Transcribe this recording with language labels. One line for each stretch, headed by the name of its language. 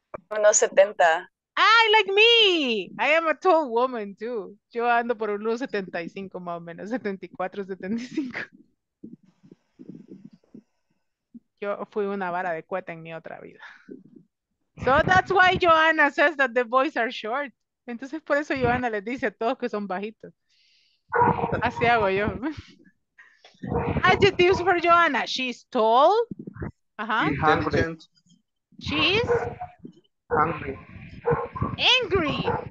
English: 1.70. Ay, like me. I am a tall woman too.
Spanish: Yo ando por unos 75 más o menos, 74, 75. Yo fui una vara de cueta en mi otra vida.
English: So that's why Joanna says that the boys are short.
Spanish: Entonces por eso Joanna les dice a todos que son bajitos. Así hago yo.
English: Adjectives for Joanna. She's tall. Intelligent. She's hungry. Angry.